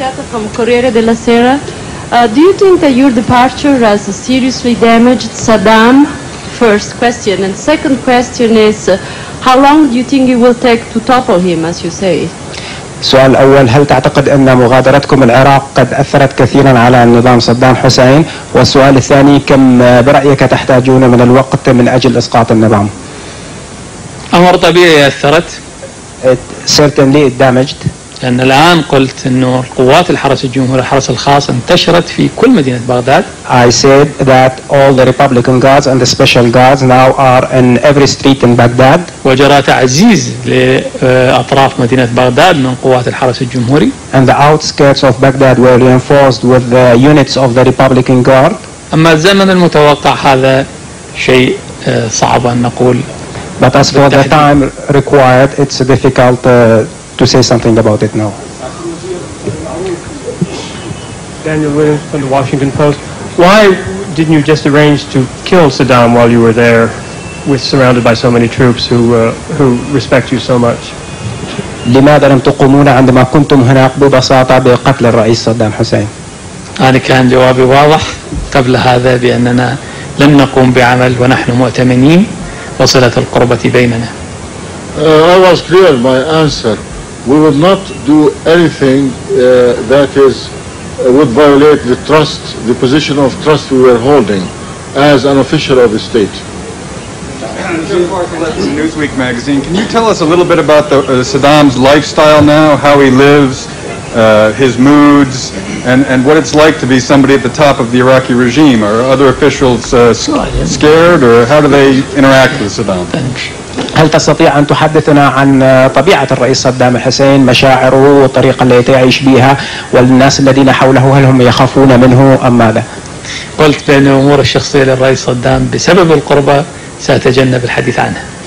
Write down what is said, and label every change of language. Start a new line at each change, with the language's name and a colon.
English: From Corriere della Sera, do you think that your departure has seriously damaged Saddam? First question, and second question is, how long do you think it will take to topple him, as you say?
Arabic: سؤال أول، هل تعتقد أن مغادرتكم العراق قد أثرت كثيرا على نظام صدام حسين؟ والسؤال الثاني، كم برأيك تحتاجون من الوقت من أجل إسقاط النظام؟ أمر طبيعي أثرت.
English: It certainly damaged.
Arabic: لأن الآن قلت إنه القوات الحرس الجمهوري الحرس الخاص انتشرت في كل مدينة بغداد.
English: I said that all the Republican guards and the special guards now are in every street in Baghdad.
Arabic: وجرى تعزيز لأطراف مدينة بغداد من قوات الحرس الجمهوري.
English: And the outskirts of Baghdad were reinforced with the units of the Republican guard.
Arabic: أما الزمن المتوقع هذا شيء صعب أن نقول.
English: But as for the time required, it's difficult to say something about it now. Daniel Williams from the Washington Post. Why didn't you just arrange to kill Saddam while you were there, with surrounded by so many troops who respect you so much?
Arabic: لماذا لم تقومون عندما كنتم هناك ببساطة بقتل الرئيس صدام حسين؟ أنا كان جوابي واضح قبل هذا بأننا لم نقوم بعمل ونحن مؤتمنين وصلة القربة بيننا.
English: I was clear in my answer. We would not do anything that is would violate the trust, the position of trust we were holding as an official of the state. Newsweek magazine. Can you tell us a little bit about the Saddam's lifestyle now, how he lives, his moods, and what it's like to be somebody at the top of the Iraqi regime? Are other officials scared, or how do they interact with Saddam?
Arabic: هل تستطيع أن تحدثنا عن طبيعة الرئيس صدام حسين، مشاعره والطريقة التي يعيش بها، والناس الذين حوله هل هم يخافون منه أم ماذا؟ قلت بأن أمور الشخصية للرئيس صدام بسبب القربة سأتجنب الحديث عنها.